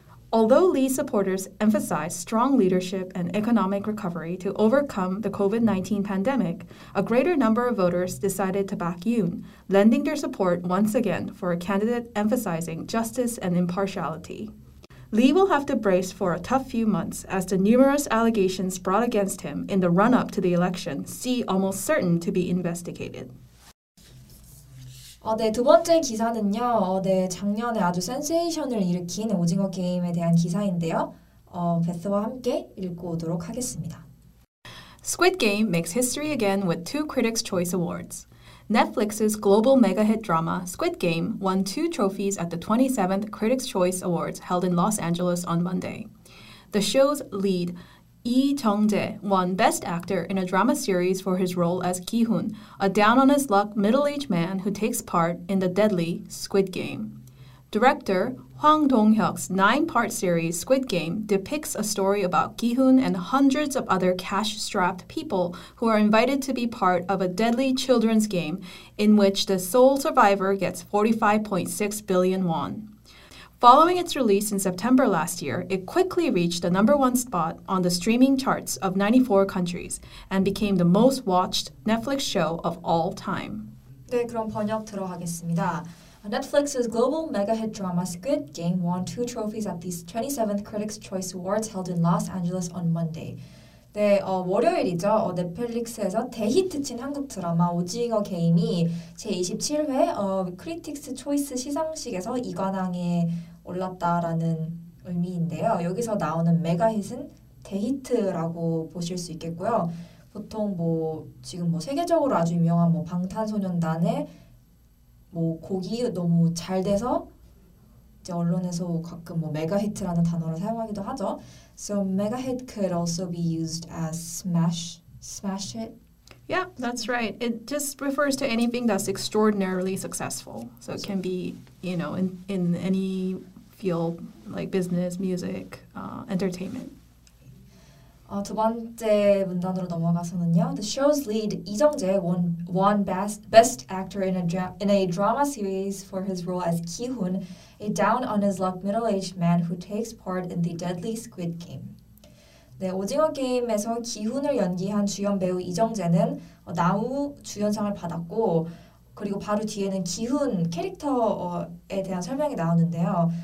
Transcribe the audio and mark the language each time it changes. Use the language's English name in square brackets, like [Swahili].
[English] Although Lee supporters emphasize strong leadership and economic recovery to overcome the COVID-19 pandemic, a greater number of voters decided to back Yoon, lending their support once again for a candidate emphasizing justice and impartiality. Lee will have to brace for a tough few months as the numerous allegations brought against him in the run-up to the election see almost certain to be investigated. [Korean] 네, 두 번째 기사는요. 네, 작년에 아주 센세이션을 일으킨 오징어 게임에 대한 기사인데요. 베스와 함께 읽고 오도록 하겠습니다. [English] Squid Game makes history again with two Critics' Choice Awards. Netflix's global mega-hit drama Squid Game won two trophies at the 27th Critics' Choice Awards held in Los Angeles on Monday. The show's lead, Lee Jeong-jae, won Best Actor in a Drama Series for his role as Ki-hoon, a down-on-his-luck middle-aged man who takes part in the deadly Squid Game. Director Hwang Dong-hyuk's nine-part series Squid Game depicts a story about Gi-hun and hundreds of other cash-strapped people who are invited to be part of a deadly children's game in which the sole survivor gets 45.6 billion won. Following its release in September last year, it quickly reached the number one spot on the streaming charts of 94 countries and became the most watched Netflix show of all time. [Korean] 네, 그럼 번역 들어가겠습니다. [English] Netflix's global mega-hit drama Squid Game won two trophies at the 27th Critics' Choice Awards held in Los Angeles on Monday. [Korean] 네, 월요일이죠. 넷플릭스에서 대히트친 한국 드라마 오징어 게임이 제27회 크리틱스 초이스 시상식에서 2관왕에 올랐다라는 의미인데요. 여기서 나오는 메가힛은 대히트라고 보실 수 있겠고요. 보통 뭐 지금 뭐 세계적으로 아주 유명한 뭐 방탄소년단의 뭐 곡이 너무 잘 돼서 이제 언론에서 가끔 뭐 메가히트라는 단어를 사용하기도 하죠. [English] So mega hit could also be used as smash hit. Yeah, that's right. It just refers to anything that's extraordinarily successful. So it can be, you know, in any field like business, music, entertainment. [Korean] 두 번째 문단으로 넘어가서는요. [English] The show's lead, 이정재, won best actor in a drama series for his role as Gi-hun, a down-on-his-luck middle-aged man who takes part in the deadly Squid Game. [Korean] 네, 오징어 게임에서 기훈을 연기한 주연 배우 이정재는 나우 주연상을 받았고 그리고 바로 뒤에는 기훈 캐릭터에 대한 설명이 나오는데요.